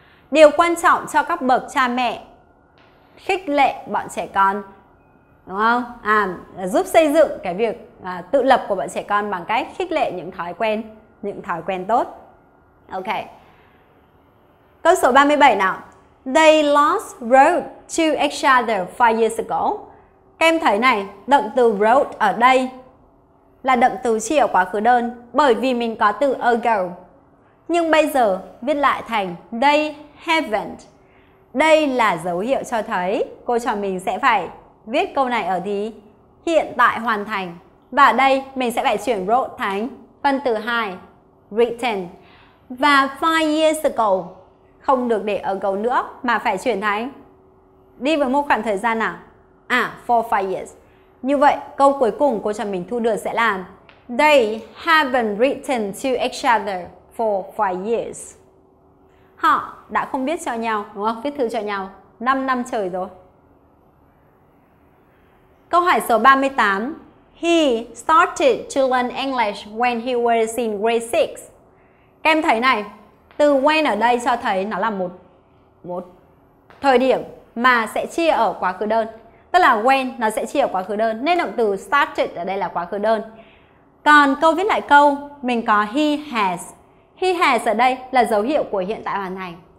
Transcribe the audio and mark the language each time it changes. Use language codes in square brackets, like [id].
[vi] Điều quan trọng cho các bậc cha mẹ khích lệ bọn trẻ con, đúng không? Giúp xây dựng cái việc tự lập của bọn trẻ con bằng cách khích lệ những thói quen tốt. Ok. Câu số 37 nào. [en] They lost road to each other 5 years ago. [vi] Các em thấy này, động từ road ở đây là động từ chỉ ở quá khứ đơn, bởi vì mình có từ ago. Nhưng bây giờ viết lại thành [en] they haven't. [vi] Đây là dấu hiệu cho thấy cô trò mình sẽ phải viết câu này ở thì hiện tại hoàn thành. Và ở đây mình sẽ phải chuyển road thành phân từ 2, written. Và 5 years ago không được để ago nữa mà phải chuyển thành đi với một khoảng thời gian nào. 4-5 years. Như vậy câu cuối cùng cô cho mình thu được sẽ là [en] they haven't written to each other for 5 years. [vi] Họ đã không viết cho nhau, đúng không? Viết thư cho nhau 5 năm trời rồi. Câu hỏi số 38. [en] He started to learn English when he was in grade 6. [vi] Các em thấy này, từ when ở đây cho thấy nó là một thời điểm mà sẽ chia ở quá khứ đơn. Tức là when nó sẽ chia ở quá khứ đơn, nên động từ started ở đây là quá khứ đơn. Còn câu viết lại câu, mình có [en] he has. He has [vi] ở đây là dấu hiệu của hiện tại hoàn thành.